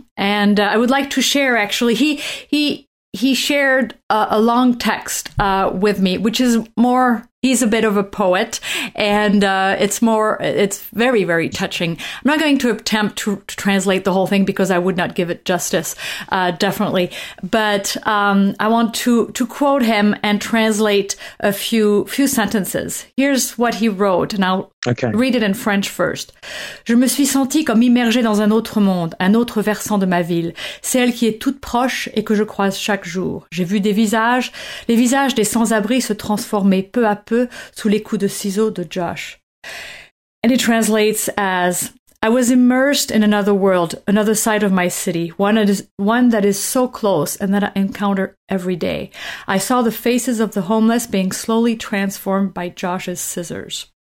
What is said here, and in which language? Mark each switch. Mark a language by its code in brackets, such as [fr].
[en] And I would like to share, actually, he shared a long text with me, which is more, he's a bit of a poet, and it's very, very touching. I'm not going to attempt to translate the whole thing because I would not give it justice, definitely. But I want to quote him and translate a few sentences. Here's what he wrote, and I'll read it in French first. [fr] Je me suis sentie comme immergée dans un autre monde, un autre versant de ma ville, celle qui est toute proche et que je croise chaque jour. J'ai vu des visages, les visages des sans-abri se transformer peu à peu sous les coups de ciseaux de Josh. [en] And it translates as, I was immersed in another world, another side of my city, one that is so close and that I encounter every day. I saw the faces of the homeless being slowly transformed by Josh's scissors.